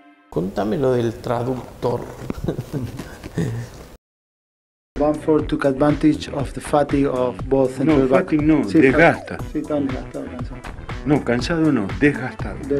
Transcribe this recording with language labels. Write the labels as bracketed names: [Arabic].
[Spanish] Contame lo del traductor. [English] Bamford took advantage of the fatigue of both central backs. [Spanish] No, fatigue no, sí, desgasta. Sí, están desgastados. No, cansado no, desgastado.